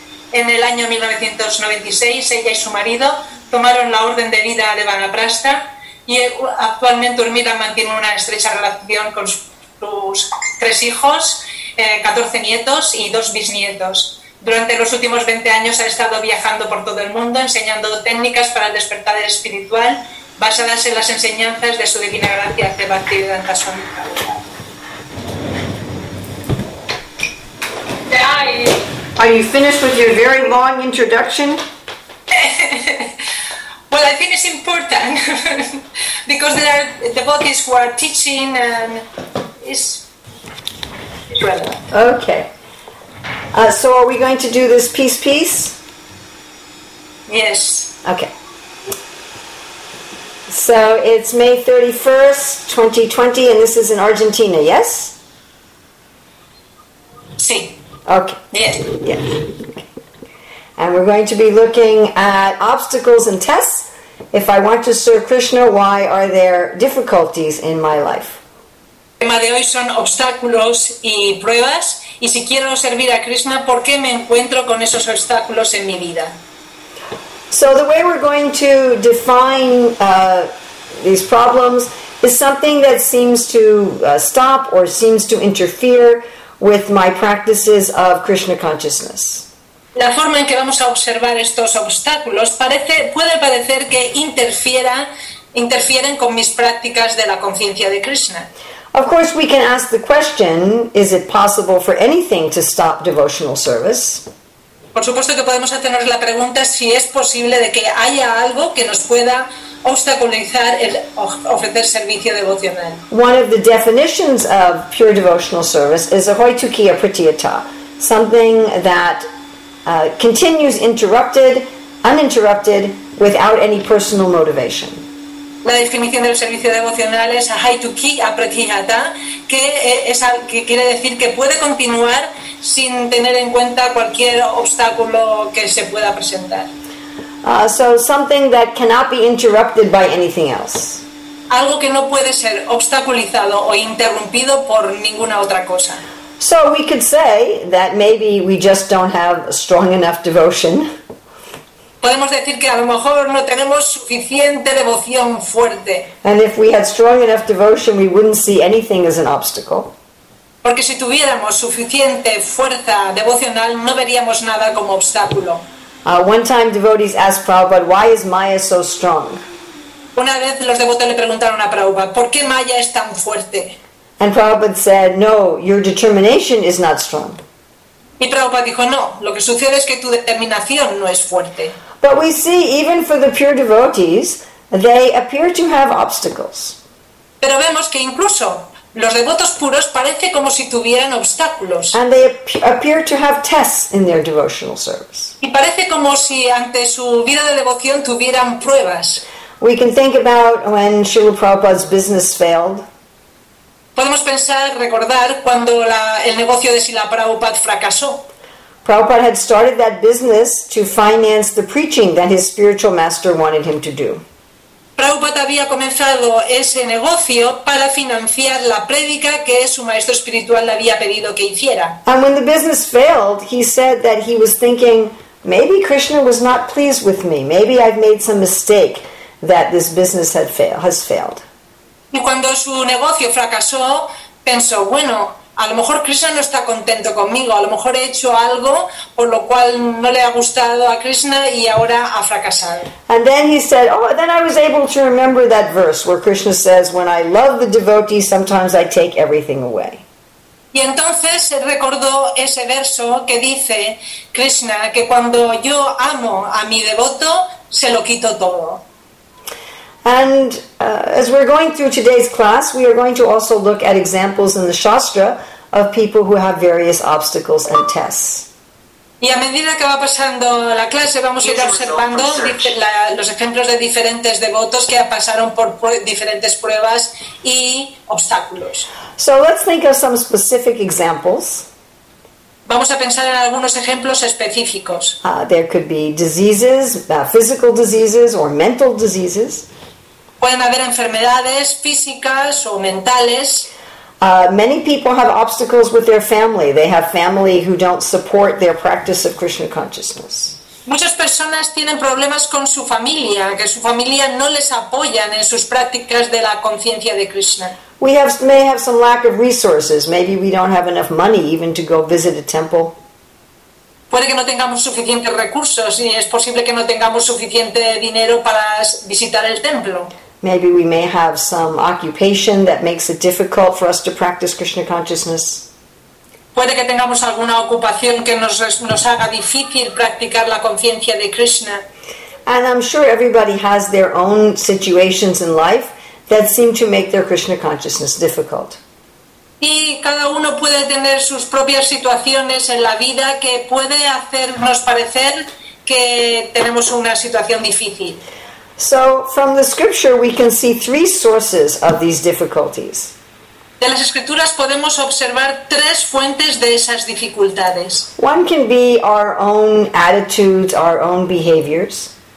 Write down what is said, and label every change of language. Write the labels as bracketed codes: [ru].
[es] En el año 1996, ella y su marido tomaron la orden de vida de Vanaprastha, y actualmente Urmila mantiene una estrecha relación con sus 3 hijos, 14 nietos y 2 bisnietos. Durante los últimos 20 años ha estado viajando por todo el mundo enseñando técnicas para el despertar espiritual basadas en las enseñanzas de su divina gracia, de Bhaktivedanta Swami. [en] Are you finished with your very long introduction? Well, I think it's important because there are devotees who are teaching and it's relevant. Okay. So are we going to do this piece? Yes. Okay. So it's May 31st, 2020, and this is in Argentina, yes? [es] Sí. [en] Okay. Yes. Yeah. And we're going to be looking at obstacles and tests. If I want to serve Krishna, why are there difficulties in my life? [es] El tema de hoy son obstáculos y pruebas. Y si quiero servir a Krishna, ¿por qué me encuentro con esos obstáculos en mi vida? [en] So the way we're going to define these problems is something that seems to stop or seems to interfere with my practices of Krishna consciousness. [es] La forma en que vamos a observar estos obstáculos puede parecer que interfieren con mis prácticas de la conciencia de Krishna. [en] Of course, we can ask the question, is it possible for anything to stop devotional service? [es] Por supuesto que podemos hacernos la pregunta si es posible de que haya algo que nos pueda obstaculizar el ofrecer servicio devocional. [en] One of the definitions of pure devotional service is ahoitukiya pratyata, something that continues interrupted, uninterrupted, without any personal motivation. [es] La definición del servicio devocional es ahaituki apratihata, que quiere decir que puede continuar sin tener en cuenta cualquier obstáculo que se pueda presentar. [en] So something that cannot be interrupted by anything else. [es] Algo que no puede ser obstaculizado o interrumpido por ninguna otra cosa. [en] So we could say that maybe we just don't have a strong enough devotion. [es] Podemos decir que a lo mejor no tenemos suficiente devoción fuerte. [en] And if we had strong enough devotion, we wouldn't see anything as an obstacle. [es] Porque si tuviéramos suficiente fuerza devocional, no veríamos nada como obstáculo. [en] One time devotees asked Prabhupada, why is Maya so strong? [es] Una vez los devotos le preguntaron a Prabhupada, ¿por qué Maya es tan fuerte? [en] And Prabhupada said, no, your determination is not strong. [es] Y Prabhupada dijo, no, lo que sucede es que tu determinación no es fuerte. [en] But we see, even for the pure devotees, they appear to have obstacles. [es] Pero vemos que incluso los devotos puros parece como si tuvieran obstáculos. [en] And they appear to have tests in their devotional service. [es] Y parece como si ante su vida de devoción tuvieran pruebas. [en] We can think about when Srila Prabhupada's business failed. [es] Podemos pensar, recordar, cuando el negocio de Srila Prabhupada fracasó. [en] Prabhupada had started that business to finance the preaching that his spiritual master wanted him to do. [es] Prabhupada había comenzado ese negocio para financiar la prédica que su maestro espiritual le había pedido que hiciera. [en] And when the business failed, he said that he was thinking, maybe Krishna was not pleased with me, maybe I've made some mistake that this business has failed. [es] Y cuando su negocio fracasó, pensó, bueno, a lo mejor Krishna no está contento conmigo, a lo mejor he hecho algo por lo cual no le ha gustado a Krishna y ahora ha fracasado. [en] And then he said, oh, then I was able to remember that verse where Krishna says, when I love the devotee, sometimes I take everything away. [es] Y entonces se recordó ese verso que dice Krishna, que cuando yo amo a mi devoto, se lo quito todo. [en] And as we're going through today's class, we are going to also look at examples in the Shastra of people who have various obstacles and tests. [es] Y a medida que va pasando la clase, vamos a ir observando los ejemplos de diferentes devotos que pasaron por diferentes pruebas y obstáculos. [en] So let's think of some specific examples. [es] Vamos a pensar en algunos ejemplos específicos. [en] There could be diseases, physical diseases or mental diseases. [es] Pueden haber enfermedades físicas o mentales. [en] Many people have obstacles with their family. They have family who don't support their practice of Krishna consciousness. [es] Muchas personas tienen problemas con su familia, que su familia no les apoyan en sus prácticas de la conciencia de Krishna. [en] We may have some lack of resources. Maybe we don't have enough money even to go visit a temple. [es] Puede que no tengamos suficientes recursos y es posible que no tengamos suficiente dinero para visitar el templo. [en] Maybe we may have some occupation that makes it difficult for us to practice Krishna consciousness. [es] Puede que tengamos alguna ocupación que nos haga difícil practicar la conciencia de Krishna. [en] And I'm sure everybody has their own situations in life that seem to make their Krishna consciousness difficult. [es] Y cada uno puede tener sus propias situaciones en la vida que puede hacernos parecer que tenemos una situación difícil. [en] So, from the scripture we can see three sources of these difficulties. [es] De las escrituras podemos observar tres fuentes de esas dificultades. [en] One can be our own attitudes, our own behaviors.